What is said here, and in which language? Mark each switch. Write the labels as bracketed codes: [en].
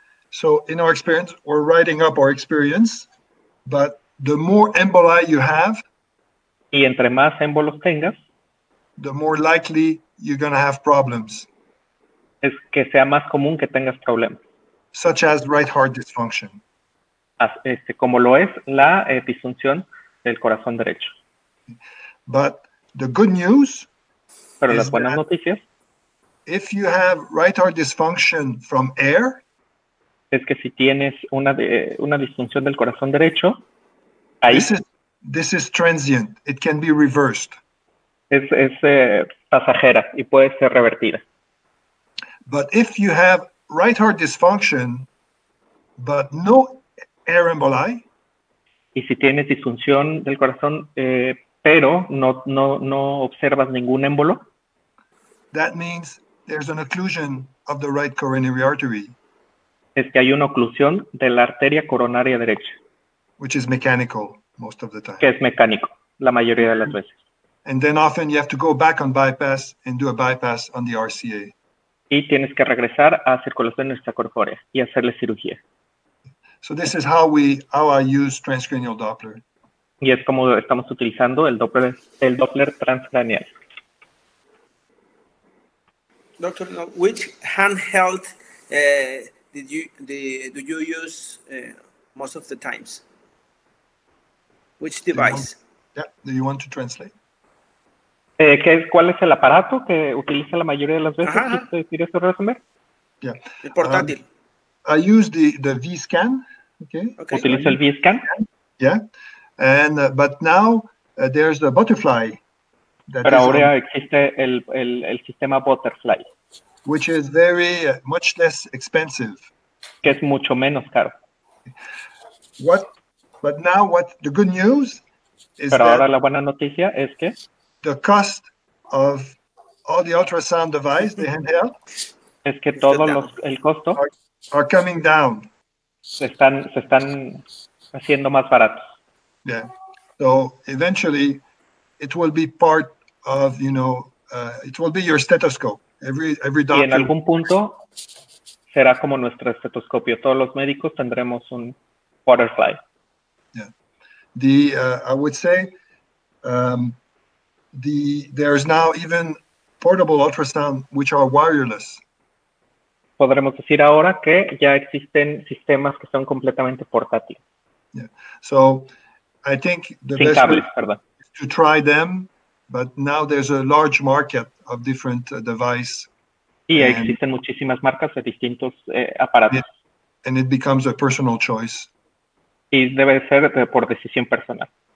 [en] So in our experience, we're writing up our experience, but the more emboli you have, [es] y entre más émbolos tengas, [en] the more likely you're going to have problems. [es] Es que sea más común que tengas problemas. [en] Such as right heart dysfunction. [es] Como lo es la disfunción del corazón derecho. [en] But the good news, [es] pero las buenas noticias, [en] if you have right heart dysfunction from air, [es] es que si tienes una disfunción del corazón derecho, ahí, [en] this is transient. It can be reversed. [es] Es pasajera y puede ser revertida. [en] But if you have right heart dysfunction, but no air emboli, [es] y si tienes disfunción del corazón, pero no observas ningún émbolo, [en] that means there's an occlusion of the right coronary artery. [es] Es que hay una oclusión de la arteria coronaria derecha. [en] Which is mechanical most of the time. [es] Que es mecánico la mayoría de las veces. [en] And then often you have to go back on bypass and do a bypass on the RCA. [es] Y tienes que regresar a circulación extracorpórea y hacerle cirugía. [en] So this is how I use transcranial Doppler. [es] Y es como estamos utilizando el Doppler transcranial. [en] Doctor, which handheld do you use most of the times? Which device? Do you want to translate? [es] ¿Cuál es el aparato que utiliza la mayoría de las veces? ¿Quieres decir eso, resumir? [en] Yeah. [es] El portátil. [en] I use the V-scan. Okay. [es] Utilizo el V-scan. [en] Yeah. But now there's the butterfly. [es] Pero ahora existe el sistema butterfly. [en] Which is very much less expensive. [es] Que es mucho menos caro. [en] But now the good news is [es] pero ahora la buena noticia es que [en] the cost of all the ultrasound device, the handheld, [es] es que todos los el costo [en] are coming down. [es] Se están haciendo más baratos. [en] Yeah. So eventually it will be part of, it will be your stethoscope. Every doctor. [es] Y en algún punto será como nuestro estetoscopio. Todos los médicos tendremos un butterfly. [en] Yeah. I would say there is now even portable ultrasound which are wireless. [es] Podremos decir ahora que ya existen sistemas que son completamente portátiles. [en] Yeah. So I think the [es] sin [en] best [es] cables, [en] way [es] perdón. [en] Is to try them. But now there's a large market of different devices. [es] Y existen muchísimas marcas de distintos aparatos. [en] And it becomes a personal choice. [es] y debe ser por decisión personal.